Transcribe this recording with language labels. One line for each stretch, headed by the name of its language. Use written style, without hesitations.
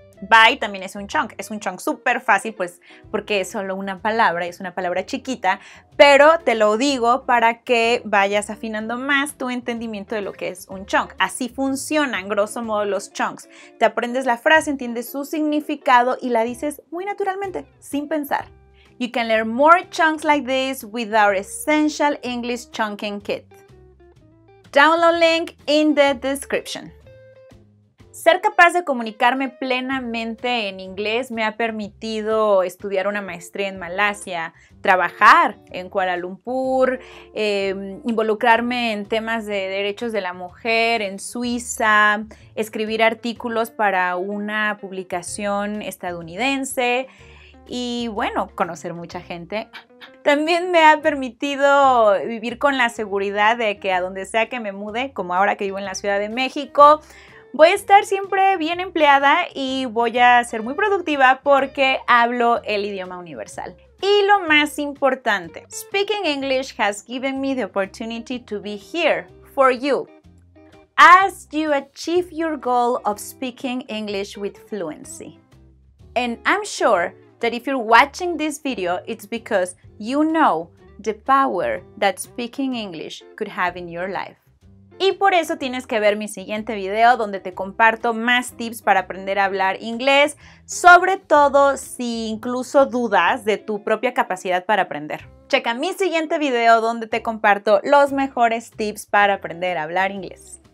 Spanish: Bye también es un chunk. Es un chunk súper fácil, pues, porque es solo una palabra, es una palabra chiquita, pero te lo digo para que vayas afinando más tu entendimiento de lo que es un chunk. Así funcionan, grosso modo, los chunks. Te aprendes la frase, entiendes su significado y la dices muy naturalmente, sin pensar.
English: You can learn more chunks like this with our Essential English Chunking Kit. Download link in the description.
Spanish: Ser capaz de comunicarme plenamente en inglés me ha permitido estudiar una maestría en Malasia, trabajar en Kuala Lumpur, involucrarme en temas de derechos de la mujer en Suiza, escribir artículos para una publicación estadounidense y, bueno, conocer mucha gente. También me ha permitido vivir con la seguridad de que a donde sea que me mude, como ahora que vivo en la Ciudad de México, voy a estar siempre bien empleada y voy a ser muy productiva porque hablo el idioma universal. Y lo más importante,
English: speaking English has given me the opportunity to be here for you. As you achieve your goal of speaking English with fluency. And I'm sure that if you're watching this video, it's because you know the power that speaking English could have in your life.
Spanish: Y por eso tienes que ver mi siguiente video donde te comparto más tips para aprender a hablar inglés, sobre todo si incluso dudas de tu propia capacidad para aprender. Checa mi siguiente video donde te comparto los mejores tips para aprender a hablar inglés.